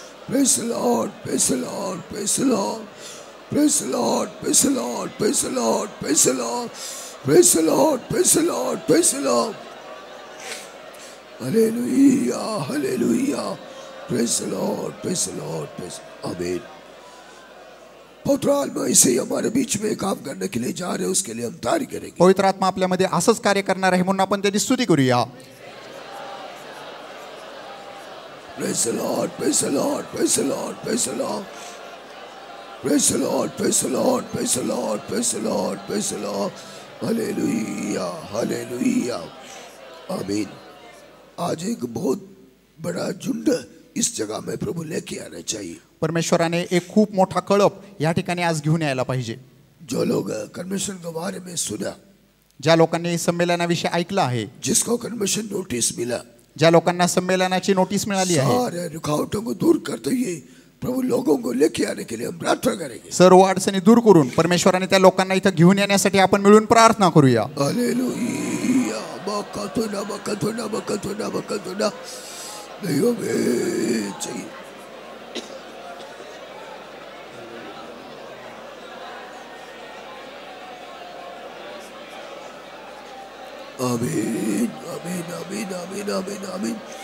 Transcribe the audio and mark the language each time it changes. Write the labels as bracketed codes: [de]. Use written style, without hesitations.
[en] Praise Lord praise Lord praise Lord praise Lord praise Lord praise Lord praise Lord praise Lord praise Lord praise Lord hallelujah hallelujah praise Lord praise Lord praise आमीन। [hi] पवित्र आत्मा इसे हमारे बीच में काम करने के लिए जा रहे हैं, उसके लिए हम तारीफ करेंगे। [mr] पवित्र आत्मा आपले मध्ये असंच कार्य करणार आहे, म्हणून आपण त्याची स्तुती करूया। [en] Praise lord praise lord praise lord praise lord praise lord praise lord praise lord praise lord praise lord hallelujah hallelujah आमीन। [hi] आज एक बहुत बड़ा झुंड इस जगह में प्रभु लेके आना चाहिए। [mr] परमेश्वराने एक खूप मोठा कळप या ठिकाणी आज घेऊन यायला पाहिजे। [hi] जो लोग कन्वेंशन के बारे में सुना, [mr] ज्या लोकांनी संमेलनाविषय ऐकलं आहे, [hi] जिसको कन्वेंशन नोटिस मिला, [mr] ज्या लोकांना संमेलनाची नोटिस मिळाली आहे, [hi] सारे रुकावटों को दूर करते हुए प्रभु लोगों को लेके आने के लिए हम प्रार्थना करेंगे। [mr] सर्व अडचणी दूर करून परमेश्वराने त्या लोकांना इथे घेऊन येण्यासाठी आपण मिळून प्रार्थना करूया। हालेलुया बकतुना बकतुना बकतुना बकतुना देवे जी आमीन आमीन आमीन आमीन आमीन आमीन।